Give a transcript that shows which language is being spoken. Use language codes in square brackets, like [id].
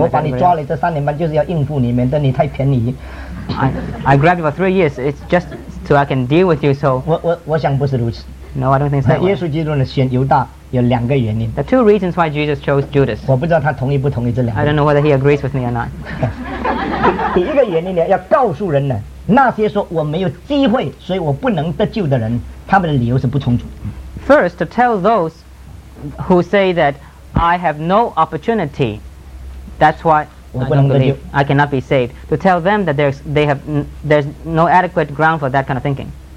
[en] way. I grabbed you for 3 years, it's just so I can deal with you, so... No, I don't think so. [zh] 耶稣基督呢选犹大。 [en] There are two reasons why Jesus chose Judas. I don't know whether he agrees with me or not. [zh] 第一个原因呢，要告诉人呢，那些说我没有机会，所以我不能得救的人，他们的理由是不充足。 [en] First, to tell those who say that I have no opportunity, that's why I don't believe I cannot be saved. To tell them that there's no adequate ground for that kind of thinking.